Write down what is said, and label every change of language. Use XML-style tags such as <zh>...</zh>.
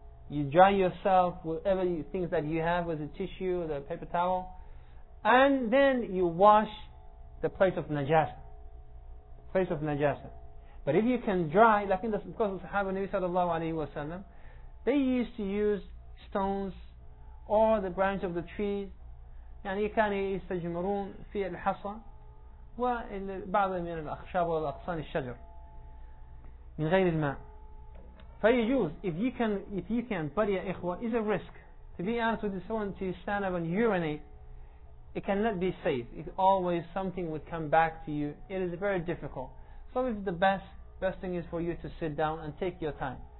<en>You dry yourself whatever you things that you have with the tissue, the paper towel, and then you wash the place of najasa. But if you can dry, like in the, because of the Sahaba Nabi sallallahu alayhi wa sallam, they used to use stones or the branch of the tree.</en> <ar>يعني كان يستجمرون في الحصى وبعض من الأخشاب والأقصان الشجر من غير الماء. فيجوز,</ar> <en>if you can, but</en> <ar>يا إخوة,</ar> <en>is a risk. To be honest with someone, to stand up and urinate, it cannot be safe. It always, something would come back to you. It is very difficult. So if the best thing is for you to sit down and take your time.</en>